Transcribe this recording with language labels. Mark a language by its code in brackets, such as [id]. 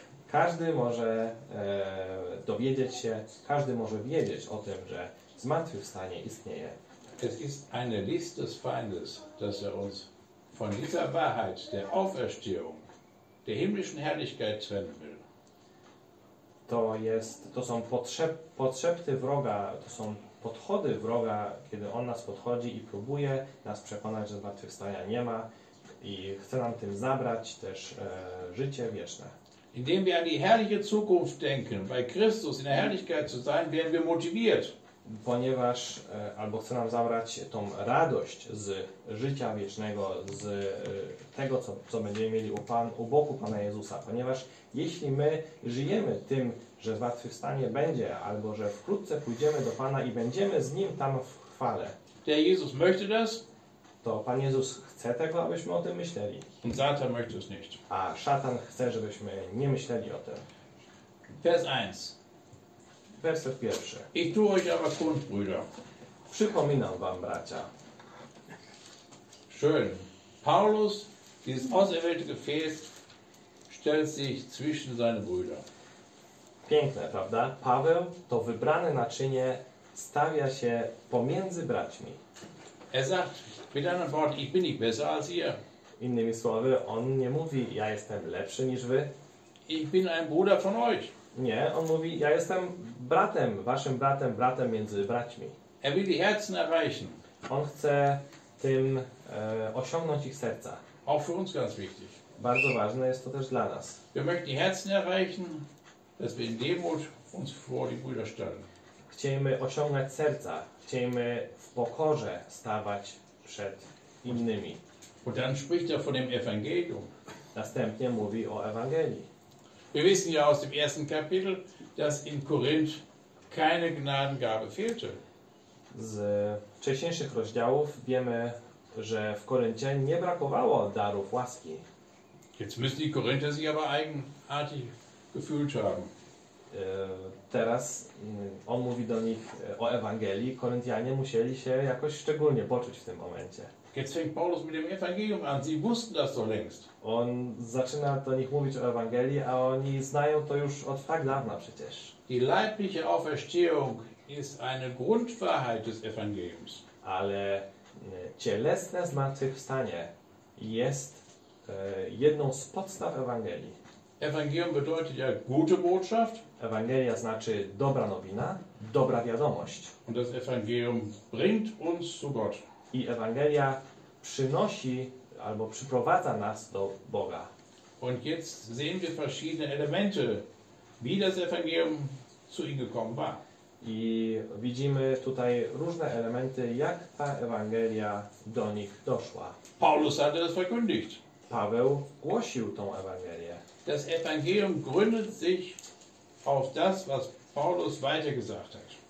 [pl] Każdy może dowiedzieć się, każdy może wiedzieć o tym, że zmartwychwstanie istnieje. [de] Es ist eine List des Feindes, dass uns von dieser Wahrheit der Auferstehung, der himmlischen Herrlichkeit trennen will. [pl] To są podszepty wroga, to są podchody wroga, kiedy on nas podchodzi i próbuje nas przekonać, że zmartwychwstania nie ma i chce nam tym zabrać też życie wieczne. [de] Indem wir an die herrliche Zukunft denken, bei Christus in der Herrlichkeit zu sein, werden wir motiviert. [pl] Ponieważ albo chce nam zabrać tą radość z życia wiecznego, z tego, co będziemy mieli u boku Pana Jezusa. Ponieważ jeśli my żyjemy tym, że zmartwychwstanie będzie, albo że wkrótce pójdziemy do Pana i będziemy z Nim tam w chwale, [de] der Jesus möchte das, [pl] to Pan Jezus chce tego, abyśmy o tym myśleli. [de] Und Satan möchte es nicht. [pl] A szatan chce, żebyśmy nie myśleli o tym. [de] Vers 1. [pl] Werset pierwszy. [de] Ich tue euch aber kund, Brüder. [pl] Przypominam wam, bracia. [de] Schön. Paulus, dieses auserwählte Gefäß, stellt sich zwischen seine Brüder. [pl] Piękne, prawda? Paweł, to wybrane naczynie, stawia się pomiędzy braćmi. [de] Er sagt, mit anderen Worten, ich bin nicht besser als ihr. [pl] Innymi słowy, on nie mówi, ja jestem lepszy niż wy. [de] Ich bin ein Bruder von euch. [pl] Nie, on mówi, ja jestem bratem, waszym bratem, bratem między braćmi. [de] Er will die Herzen erreichen. [pl] On chce tym osiągnąć ich serca. [de] Auch für uns ganz wichtig. [pl] Bardzo ważne jest to też dla nas. [de] Wir möchten die Herzen erreichen, dass wir in Demut uns vor die Brüder stellen. [pl] Chcemy osiągnąć serca, chcemy w pokorze stawać przed innymi. [de] Und dann spricht er von dem Evangelium. [pl] Następnie mówi o Ewangelii. [de] Wir wissen ja aus dem ersten Kapitel, dass in Korinth keine Gnadengabe fehlte. [pl] Z wcześniejszych rozdziałów wiemy, że w Koryncie nie brakowało darów łaski. [de] Jetzt müssen die Korinther sich aber eigenartig gefühlt haben. [pl] Teraz on mówi do nich o Ewangelii. Koryntianie musieli się jakoś szczególnie poczuć w tym momencie. [de] Jetzt fängt Paulus mit dem Evangelium an. Sie wussten das doch längst. [pl] On zaczyna do nich mówić o Ewangelii, a oni znają to już od tak dawna przecież. [de] Die leibliche Auferstehung ist eine Grundwahrheit des Evangeliums. [pl] Ale cielesne zmartwychwstanie jest jedną z podstaw Ewangelii. [de] Evangelium bedeutet ja gute Botschaft. [pl] Ewangelia znaczy dobra nowina, dobra wiadomość. [de] Und das Evangelium bringt uns zu Gott. [pl] I Ewangelia przynosi albo przyprowadza nas do Boga. [de] Und jetzt sehen wir verschiedene Elemente, wie das Evangelium zu ihm gekommen war. [pl] I widzimy tutaj różne elementy, jak ta Ewangelia do nich doszła. [de] Paulus hatte das verkündigt. [pl] Paweł głosił tą Ewangelię. [de] Das Evangelium gründet sich auf das, was Paulus weitergesagt hat.